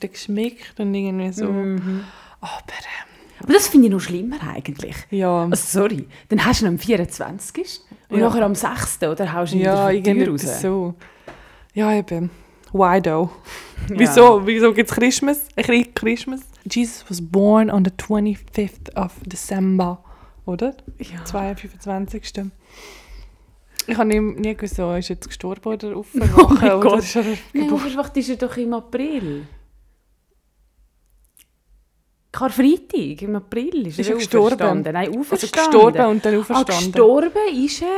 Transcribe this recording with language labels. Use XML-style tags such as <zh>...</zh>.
<de>geschmeckt und irgendwie so. Aber das finde ich noch schlimmer eigentlich. Ja. Also, sorry, dann hast du ihn am 24. Und nachher am 6. oder haust du ihn wieder von der Tür raus. So. Ja, eben.</de> <en>Why though?</en> <de>Ja. Wieso gibt es Christmas?</de> <en>Jesus was born on the 25th of December,</en> <de>oder? Ja. 22. Ich habe nie gewusst, ist er jetzt gestorben oder aufgewacht? Oh Gott. Nein, aufgewacht ist er doch im April. Karfreitag, im April ist er gestorben. Nein, auferstanden. Also gestorben und dann auferstanden. Gestorben ist er?</de>